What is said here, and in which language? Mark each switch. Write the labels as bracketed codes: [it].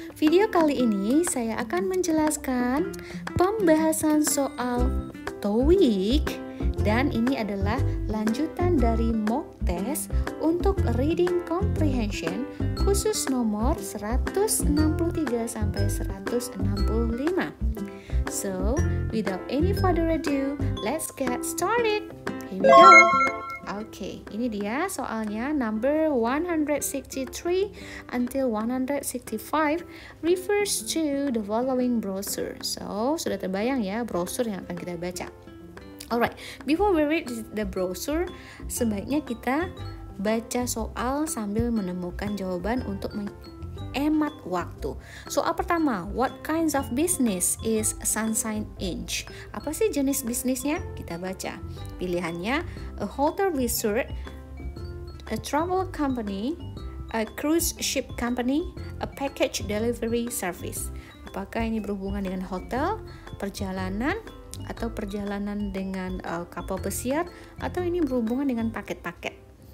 [id] Video kali ini saya akan menjelaskan pembahasan soal TOEIC, dan ini adalah lanjutan dari mock test untuk reading comprehension khusus nomor 163 sampai 165. [en] So, without any further ado, let's get started. Here we go. Okay, [id] ini dia soalnya, [en] number 163 until 165 refers to the following brochure. [id] So, sudah terbayang ya brochure yang akan kita baca. [en] Alright, before we read the brochure, [id] sebaiknya kita baca soal sambil menemukan jawaban untuk menghemat waktu. Soal pertama, [en] what kinds of business is Sunshine Inc? [id] Apa sih jenis bisnisnya? Kita baca. Pilihannya, [en] a hotel resort, a travel company, a cruise ship company, a package delivery service. [id] Apakah ini berhubungan dengan hotel, perjalanan, atau perjalanan dengan kapal pesiar, atau ini berhubungan dengan paket-paket?